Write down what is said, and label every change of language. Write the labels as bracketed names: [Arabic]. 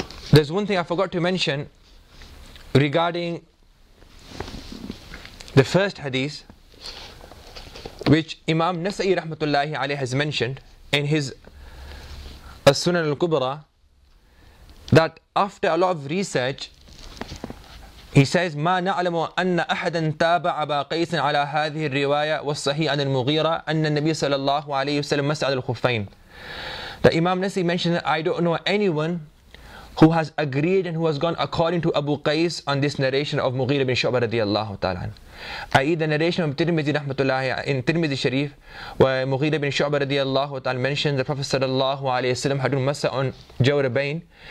[English] There's one thing I forgot to mention regarding the first hadith, which Imam Nasa'i rahmatullahi alayhi has mentioned in his As-Sunan al-Kubra, that after a lot of research, He says, [Arabic] ما نعلم أن أحدا تابع أبا قيس على هذه الرواية والصحيح عن المغيرة أن النبي صلى الله عليه وسلم مسح على الخفين. [English] The Imam Nasi mentioned that I don't know anyone who has agreed and who has gone according to Abu Qais on this narration of Mughira bin Shu'bah radiyallahu ta'ala. I.e. the narration of Tirmidhi rahmatullahi in Tirmidhi Sharif where Mughira bin Shu'bah radiyallahu ta'ala mentioned the Prophet sallallahu alayhi wa sallam had done masa on Jawrabain.